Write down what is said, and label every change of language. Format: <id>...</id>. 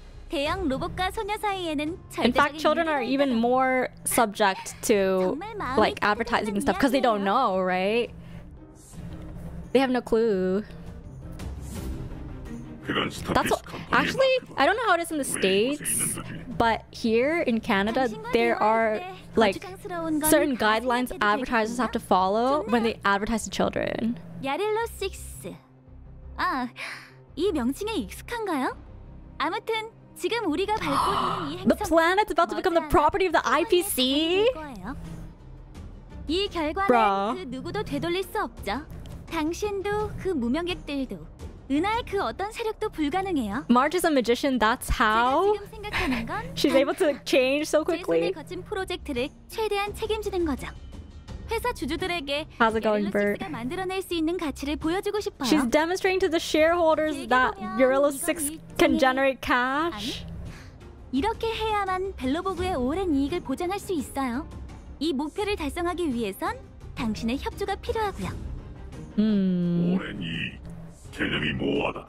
<en>In fact, children are even more subject to like advertising and stuff because they don't know, right? They have no clue. That's what, actually, I don't know how it is in the States, but here in Canada, there are like certain guidelines advertisers have to follow when they advertise to children. Jarilo VI.</en> <ko>아, 이 명칭에 익숙한가요? 아무튼 지금 우리가 밟고 있는 이 행성.</ko> <en>The planet's about to become the property of the IPC.</en> <ko>이 결과는 그 누구도 되돌릴 수 없죠. 당신도 그 무명객들도 은하의 그 어떤 세력도 불가능해요.</ko> <en>March is a magician. That's how.</en> <ko>제가 지금 생각하는 건</ko> <en>She's able to change so quickly.</en> <ko>제 손에 거친 프로젝트를 최대한 책임지는 거죠.</ko> <en>How's it going, Bert? She's demonstrating to the shareholders that Jarilo VI can generate cash.</en> <ko>이렇게 해야만 벨로보그의 오랜 이익을 보장할 수 있어요. 이 목표를 달성하기 위해선 당신의 협조가 필요하고요. 오랜 이익 개념이 모호하다.</ko>